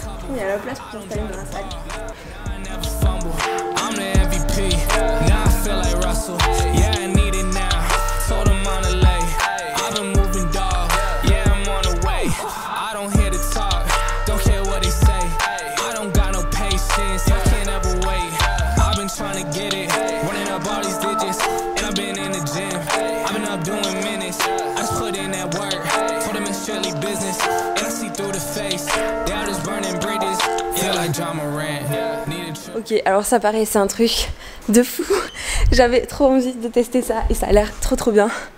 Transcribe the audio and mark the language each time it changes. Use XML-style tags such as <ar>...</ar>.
<fr>Il y a la place pour s'installer dans la salle.</fr> <en>I'm the MVP, now I feel like Russell. Yeah, I need it now, told him on the lay. I've been moving dog, yeah, I'm on the way. I don't hear the talk, don't care what they say. I don't got no patience, I can't ever wait. I've been trying to get it, running up all these digits. And I've been in the gym, I've been up doing minutes. I just put in that work, told them it's really business. And I see through the face, doubt is burning bridges. Feel like John Morant.</en> <fr>Ok, alors ça paraît, c'est un truc de fou. J'avais trop envie de tester ça et ça a l'air trop trop bien.</fr>